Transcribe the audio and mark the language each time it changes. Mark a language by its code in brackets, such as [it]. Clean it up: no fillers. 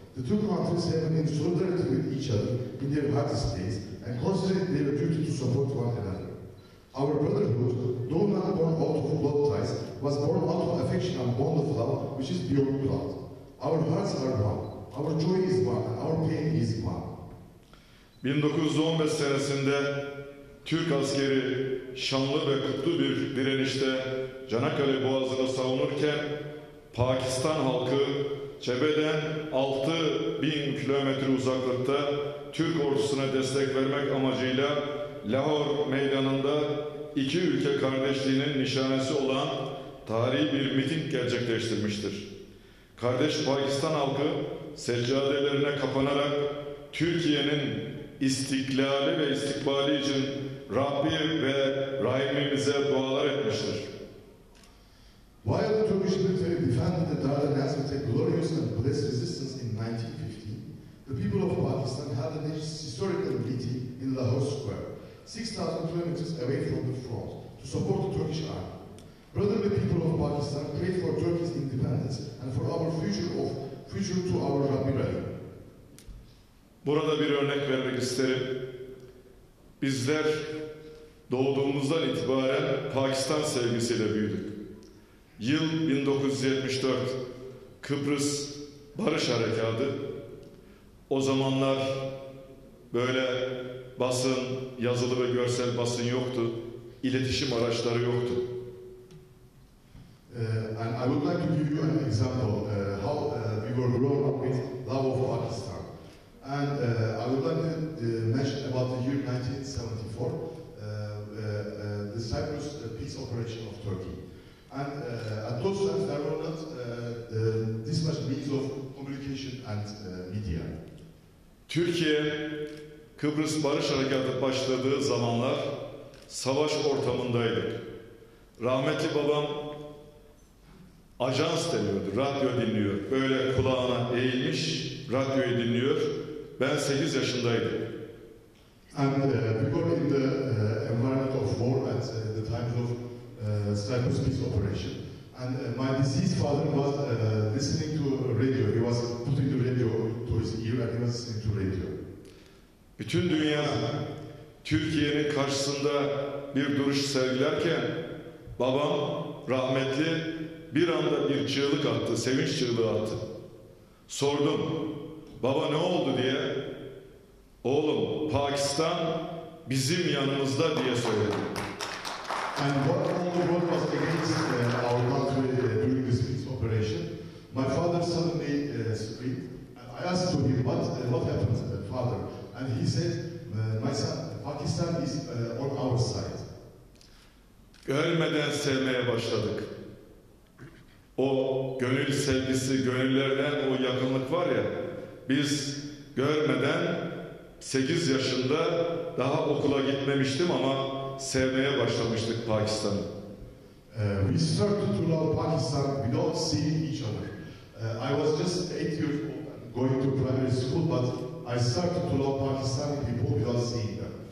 [en] The two countries have been in solidarity with each other in their hardest days and consider their duty to support one another. Our brotherhood, though not born out of blood ties, was born out of affection and bond of love, which is beyond blood. Our hearts are one, our joy is one, our pain is one. [tr] 1915 senesinde Türk askeri şanlı ve kutlu bir direnişte Çanakkale Boğazı'nı savunurken Pakistan halkı cebeden 6000 kilometre uzaklıkta Türk ordusuna destek vermek amacıyla Lahore meydanında iki ülke kardeşliğinin nişanesi olan tarihi bir miting gerçekleştirmiştir. Kardeş Pakistan halkı seccadelerine kapanarak Türkiye'nin istiklali ve istikbali için Rabbim ve Rahimimize dualar etmiştir. [en] While the Turkish military defended the Dardanelles with a glorious and blessed resistance in 1915, the people of Pakistan held an historical meeting in Lahore Square, 6,000 kilometers away from the front, to support the Turkish army. Brotherly people of Pakistan prayed for Turkey's independence and for our future to our Rabbi Rahim. [tr] Burada bir örnek vermek isterim. Bizler doğduğumuzdan itibaren Pakistan sevgisiyle büyüdük. Yıl 1974, Kıbrıs Barış Harekatı. O zamanlar böyle basın, yazılı ve görsel basın yoktu. İletişim araçları yoktu. [en] And I would like to give you an example how we were grown up with love of Pakistan. And I would like to mention about the year 1974, the Cyprus peace operation of Turkey. And at those times there were not this much means of communication and media. [tr] Türkiye, Kıbrıs Barış Harekatı başladığı zamanlar savaş ortamındaydık. Rahmetli babam ajans deniyordu, radyo dinliyor. Böyle kulağına eğilmiş, radyoyu dinliyor. Ben 8 yaşındaydım. [en] And we were in the environment of war at the times of Cyprus peace operation. And my deceased father was listening to radio. He was putting the radio to his ear and he was listening to radio. [tr] Bütün dünya Türkiye'nin karşısında bir duruş sergilerken babam rahmetli bir anda bir çığlık attı, sevinç çığlığı attı. Sordum, baba ne oldu diye. Oğlum, Pakistan bizim yanımızda diye söyledi. [en] And what all the world was against our country during this peace operation, my father suddenly screamed. And I asked to him, what happened, father? And he said, my son, Pakistan is on our side. [tr] Görmeden sevmeye başladık. O gönül sevgisi, gönüllerden o yakınlık var ya, biz görmeden 8 yaşında daha okula gitmemiştim ama sevmeye başlamıştık Pakistan'ı. [en] We started to love Pakistan without seeing each other. I was just 8 years old going to primary school, but I started to love Pakistan people without seeing them.